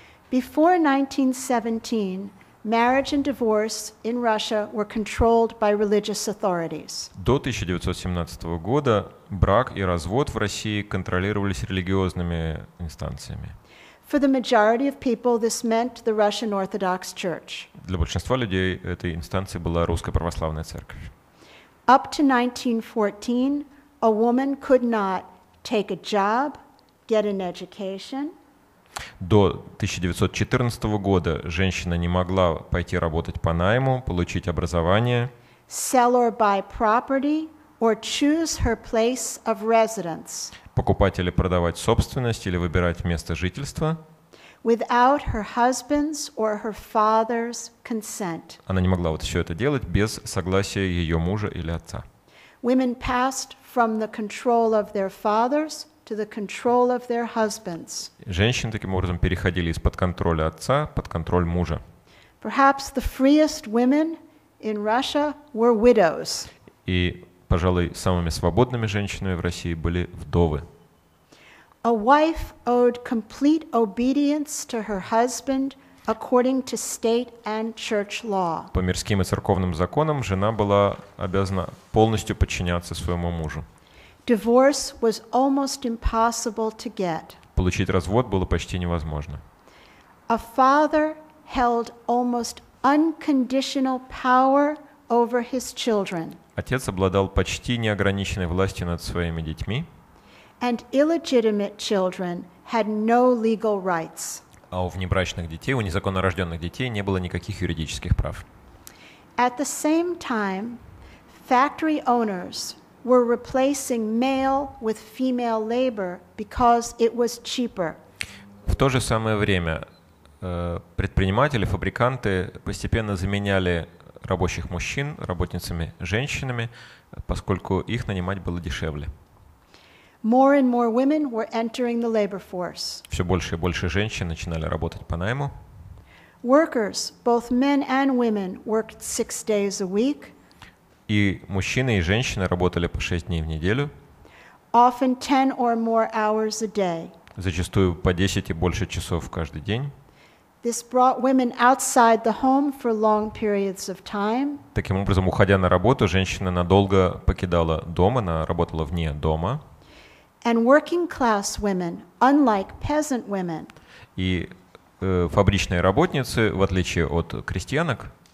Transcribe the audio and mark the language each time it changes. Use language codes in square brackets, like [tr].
[en] Before 1917, marriage and divorce in Russia were controlled by religious authorities. [ru] До 1917 года брак и развод в России контролировались религиозными инстанциями. [en] For the majority of people, this meant the Russian Orthodox Church. [ru] Для большинства людей этой инстанцией была Русская православная церковь. [en] Up to 1914, a woman could not take a job, get an education. [ru] До 1914 года женщина не могла пойти работать по найму, получить образование, [en] sell or buy property, or choose her place of residence, [ru] покупать или продавать собственность или выбирать место жительства, [en] without her husband's or her father's consent. [ru] Она не могла вот все это делать без согласия ее мужа или отца. [en] Women passed from the control of their fathers to the control of their husbands. [ru] Женщины таким образом переходили из-под контроля отца под контроль мужа. [en] Perhaps the freest women in Russia were widows. [ru] И, пожалуй, самыми свободными женщинами в России были вдовы. [en] A wife owed complete obedience to her husband according to state and church law. [ru] По мирским и церковным законам жена была обязана полностью подчиняться своему мужу. [en] Divorce was almost impossible to get. [ru] Получить развод было почти невозможно. [en] A father held almost unconditional power over his children. [ru] Отец обладал почти неограниченной властью над своими детьми. [en] And illegitimate children had no legal rights. [ru] А у внебрачных детей, у незаконно рожденных детей не было никаких юридических прав. [en] At the same time, factory owners were replacing male with female labor because it was cheaper. [ru] В то же самое время предприниматели, фабриканты постепенно заменяли рабочих мужчин работницами женщинами, поскольку их нанимать было дешевле. [en] More and more women were entering the labor force. [ru] Все больше и больше женщин начинали работать по найму. [en] Workers, both men and women, worked 6 days a week. [ru] И мужчины и женщины работали по 6 дней в неделю. [en] Often 10 or more hours a day. [ru] Зачастую по 10 и больше часов каждый день. [en] This brought women outside the home for long periods of time. [ru] Таким образом, уходя на работу, женщина надолго покидала дом, она работала вне дома. [en] And working class women, unlike peasant women. [ru] И фабричные работницы, в отличие от крестьянок,